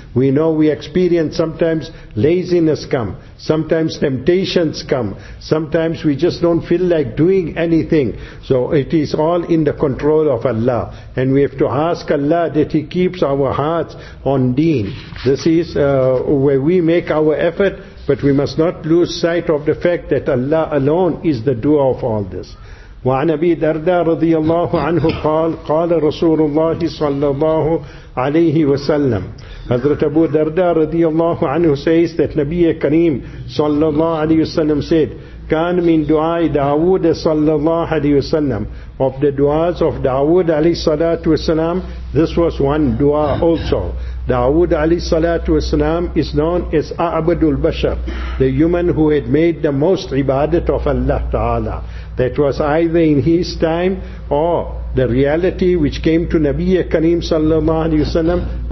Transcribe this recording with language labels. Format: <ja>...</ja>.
<en>We know we experience sometimes laziness come, sometimes temptations come, sometimes we just don't feel like doing anything. So it is all in the control of Allah. And we have to ask Allah that He keeps our hearts on deen. This is where we make our effort, but we must not lose sight of the fact that Allah alone is the doer of all this.</en> <ar>وعن أبي درداء رضي الله عنه قال قال رسول الله صلى الله عليه وسلم. Hazrat Abu Darda رضي الله عنه</ar> <en>says that</en> <ar>نبي كريم صلى الله عليه وسلم</ar> <en>said,</en> <ar>كان من دعاء داود صلى الله عليه وسلم.</ar> <en>Of the duas of</en> <ar>داود عليه الصلاة والسلام,</ar> <en>this was one dua also. Dawood alayhi salatu wasalam is known as A'badul Bashar, the human who had made the most ibadat of Allah Ta'ala. That was either in his time or the reality which came to Nabi Kareem sallallahu alayhi wasalam.</en>